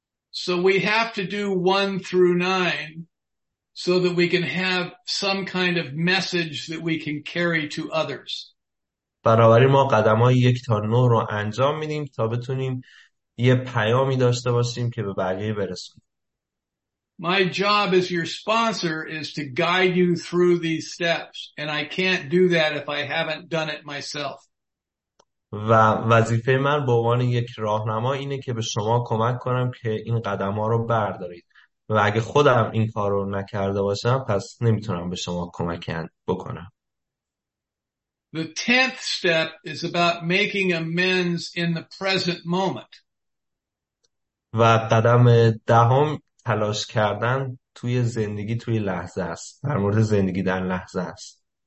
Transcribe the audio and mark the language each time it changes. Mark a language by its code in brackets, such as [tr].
[en] So we have to do 1 through 9 so that we can have some kind of message that we can carry to others. [fa] برابری ما قدم های 1 تا 9 رو انجام میدیم تا بتونیم یه پیامی داشته باشیم که به بقیه برسونیم. [en] My job as your sponsor is to guide you through these steps, and I can't do that if I haven't done it myself. [fa] و وظیفه من به عنوان یک راهنما اینه که به شما کمک کنم که این قدم ها رو بردارید. و اگه خودم این کار رو نکرده باشم پس نمیتونم به شما کمک بکنم. [en] The tenth step is about making amends in the present moment. [fa] و قدم دهم تلاش کردن توی زندگی توی لحظه است. در مورد زندگی در لحظه است.